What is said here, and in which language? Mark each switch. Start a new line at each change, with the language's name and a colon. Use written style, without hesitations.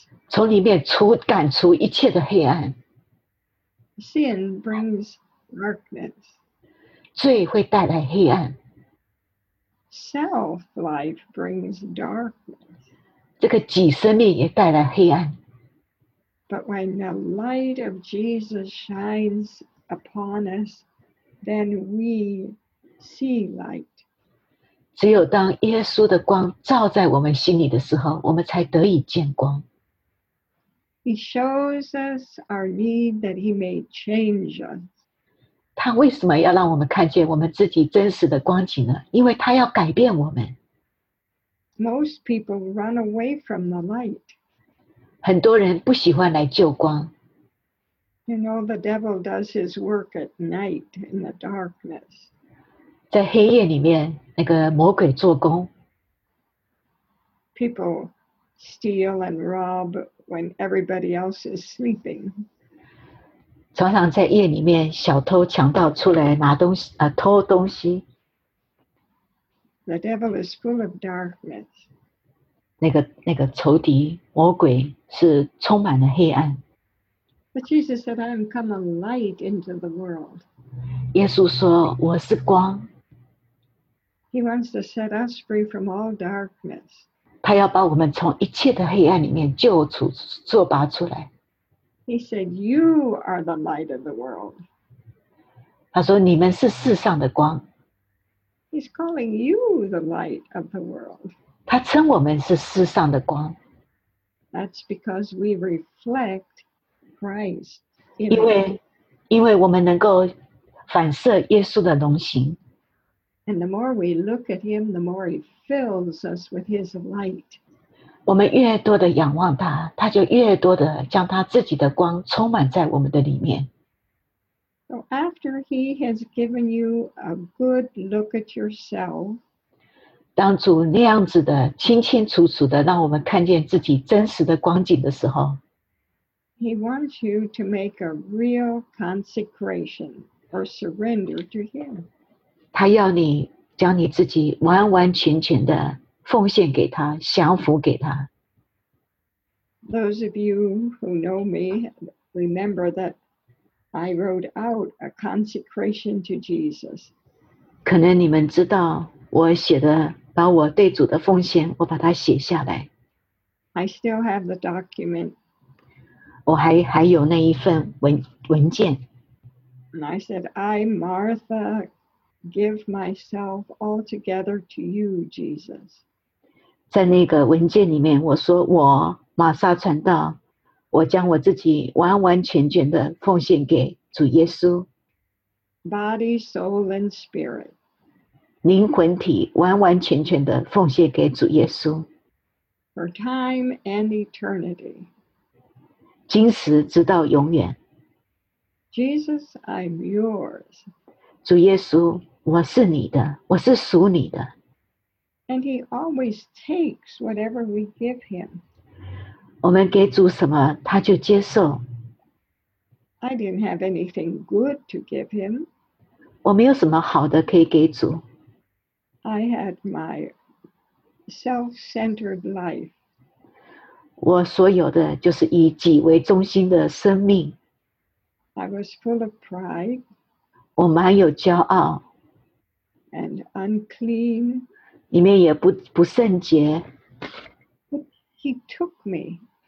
Chinese: 从里面赶出一切的黑暗。
English: Sin brings darkness.
Chinese: 罪会带来黑暗。
English: Self life brings darkness.
Chinese: 这个己生命也带来黑暗。
English: But when the light of Jesus shines upon us, then we see light.
Chinese: 只有当耶稣的光照在我们心里的时候，我们才得以见光。
English: He shows us our need that he may change us.
Chinese: 他为什么要让我们看见我们自己真实的光景呢？因为他要改变我们。
English: Most people run away from the light.
Chinese: 很多人不喜欢来救光。
English: You know, the devil does his work at night in the darkness.
Chinese: 在黑夜里面，那个魔鬼做工。
English: People steal and rob when everybody else is sleeping.
Chinese: 常常在夜里面，小偷强盗出来拿东西，偷东西。
English: The devil is full of darkness.
Chinese: 那个仇敌魔鬼是充满了黑暗。
English: But Jesus said, "I am come a light into the world."
Chinese: 耶稣说，我是光。
English: He wants to set us free from all darkness.
Chinese: 他要把我们从一切的黑暗里面救出、作拔出来。
English: He said, "You are the light of the world."
Chinese: 他说你们是世上的光。
English: He's calling you the light of the world.
Chinese: 他称我们是世上的光。
English: That's because we reflect Christ.
Chinese: 因为我们能够反射耶稣的荣形。
English: And the more we look at him, the more he fills us with his light.
Chinese: 我们越多的仰望他，他就越多的将他自己的光充满在我们的里面。
English: So after he has given you a good look at yourself,
Chinese: 当主那样子的清清楚楚的让我们看见自己真实的光景的时候，
English: he wants you to make a real consecration or surrender to him.
Chinese: 他要你将你自己完完全全的奉献给他，降服给他。
English: Those of you who know me remember that I wrote out a consecration to Jesus.
Chinese: 可能你们知道，我写的把我对主的奉献，我把它写下来。
English: I still have the document.
Chinese: 我还有那一份文件。
English: And I said, I, Martha, give myself altogether to you, Jesus.
Chinese: 在那个文件里面，我说我玛撒传道，我将我自己完完全全的奉献给主耶稣。
English: Body, soul, and spirit.
Chinese: 灵魂体完完全全的奉献给主耶稣。
English: For time and eternity.
Chinese: 今时直到永远。
English: Jesus, I'm yours.
Chinese: 主耶稣，我是你的，我是属你的。
English: And he always takes whatever we give him.
Chinese: 我们给主什么，他就接受。
English: I didn't have anything good to give him.
Chinese: 我没有什么好的可以给主。
English: I had my self-centered life.
Chinese: 我所有的就是以己为中心的生命。
English: I was full of pride.
Chinese: 我蛮有骄傲。
English: And unclean.
Chinese: 里面也不圣洁。
English: But he took me.